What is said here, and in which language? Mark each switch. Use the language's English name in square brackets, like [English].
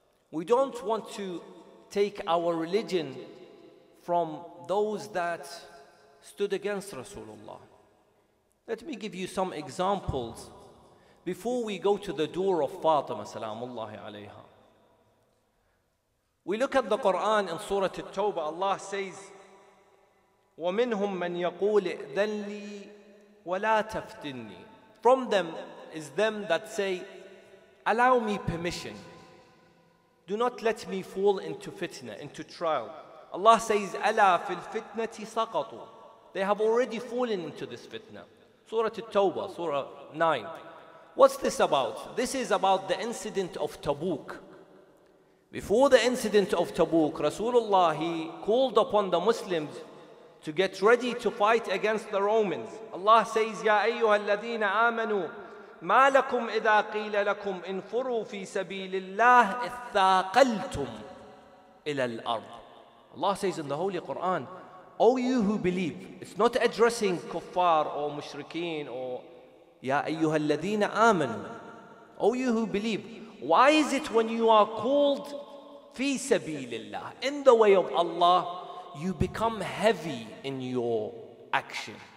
[English] We don't want to take our religion from those that stood against Rasulullah. Let me give you some examples before we go to the door of Fatima salamullahi alayha. We look at the Quran in Surah At-Tawbah. Allah says, [Arabic] وَمِنْهُمْ مَنْ يَقُولِ اِذَنْ لِي وَلَا تَفْتِنِّي. [English] From them is them that say, allow me permission. Do not let me fall into fitna, into trial. Allah says, [Arabic] أَلَا فِي الْفِتْنَةِ سَقَطُوا. [English] They have already fallen into this fitna. Surah At-Tawbah, Surah 9. What's this about? This is about the incident of Tabuk. Before the incident of Tabuk, Rasulullah, he called upon the Muslims to get ready to fight against the Romans. Allah says, [Arabic] يَا أَيُّهَا الَّذِينَ آمَنُوا مَا لَكُمْ إِذَا قِيلَ لَكُمْ إِنْفُرُوا فِي سَبِيلِ اللَّهِ اثَّاقَلْتُمْ إِلَى الْأَرْضِ. [English] Allah says in the Holy Quran, O you who believe, it's not addressing kuffar or mushrikeen or [Arabic] يَا أَيُّهَا الَّذِينَ آمَنُوا. [English] O you who believe, why is it when you are called [Arabic] فِي سَبِيلِ اللَّهِ, [English] in the way of Allah, you become heavy in your action?